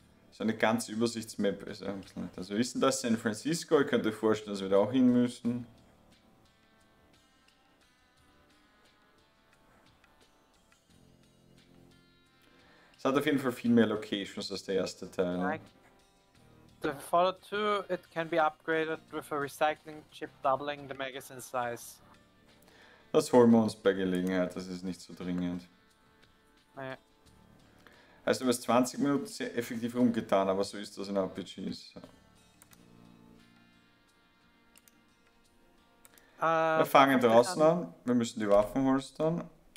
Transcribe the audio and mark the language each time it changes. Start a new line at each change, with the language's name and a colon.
German: So eine ganze Übersichtsmap ist ein bisschen nicht. Also wir wissen, dass San Francisco, ich könnte vorstellen, dass wir da auch hin müssen. Es hat auf jeden Fall viel mehr Locations als der erste Teil.
English: The Fallout 2, it can be upgraded with a recycling chip doubling the magazine size.
German: Das holen wir uns bei Gelegenheit, das ist nicht so dringend. Naja. Also du hast 20 Minuten sehr effektiv rumgetan, aber so ist das in RPGs. Wir fangen draußen an, wir müssen die Waffen holstern.